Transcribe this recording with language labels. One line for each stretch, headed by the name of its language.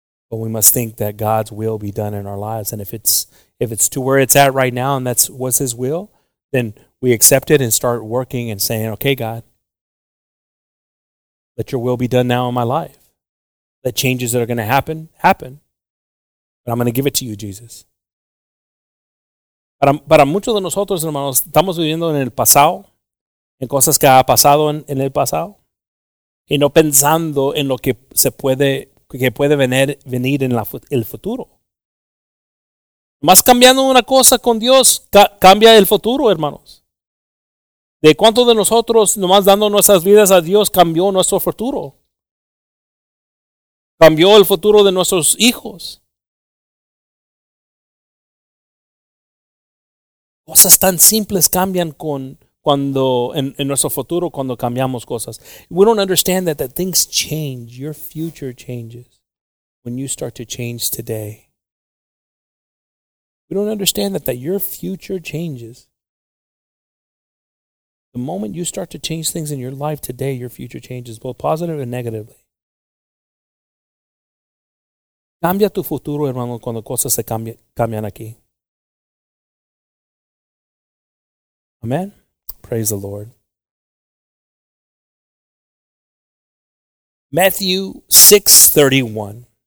English: But we must think that God's will be done in our lives. And if it's to where it's at right now and that's what's His will, then we accept it and start working and saying, okay, God, let your will be done now in my life. Let changes that are going to happen, happen. But I'm going to give it to you, Jesus.
Spanish: Para muchos de nosotros, hermanos, estamos viviendo en el pasado, en cosas que ha pasado en el pasado, y no pensando en lo que puede venir en el futuro. Más cambiando una cosa con Dios, cambia el futuro, hermanos. ¿De cuántos de nosotros, nomás dando nuestras vidas a Dios, cambió nuestro futuro? Cambió el futuro de nuestros hijos. Cosas tan simples cambian cuando en nuestro futuro cuando cambiamos cosas.
English: We don't understand that things change. Your future changes when you start to change today. We don't understand that your future changes. The moment you start to change things in your life today, your future changes both positive and negatively.
Spanish: Cambia tu futuro, hermano, cuando cosas se cambian aquí.
English: Amen. Praise the Lord.
Spanish: Mateo 6:31.